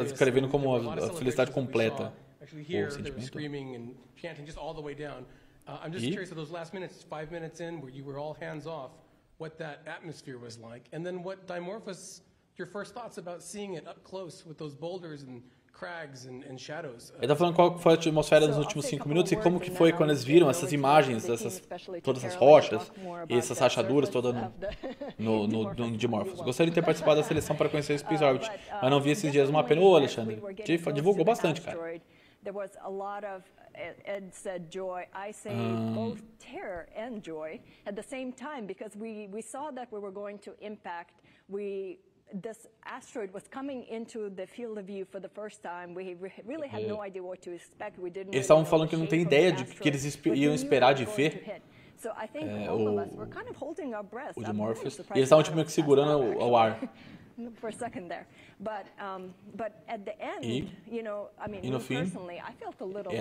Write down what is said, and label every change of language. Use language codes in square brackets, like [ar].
[pt] Ela está descrevendo como a felicidade completa. [en] Actually, here they were screaming and chanting just all the way down. I'm just curious of those last minutes, 5 minutes in, where you were all hands off, what that atmosphere was like, and then what Dimorphos, your first thoughts about seeing it up close with those boulders and crags and shadows. [pt] Ele está falando qual foi a atmosfera nos últimos 5 minutos e como que foi quando eles viram essas imagens, todas essas rochas e essas rachaduras todas no Dimorphos. Gostaria de ter participado da seleção para conhecer o Space Orbit, mas não vi esses dias uma pena. Ô, Alexandre, divulgou bastante, cara. [en] There was a lot of, Ed said joy, I say both terror and joy at the same time, because we saw that we were going to impact, this asteroid was coming into the field of view for the first time. We really had no idea what to expect. We didn't. [pt] Eles estavam falando que não tem ideia de que eles iam esperar de ver. [en] So I think all of us were kind of holding our breath. [pt] O Dimorphos. Eles estavam tipo meio que segurando o ar. [en] For a second there, but at the end, you know, I mean, personally, I felt a little numb.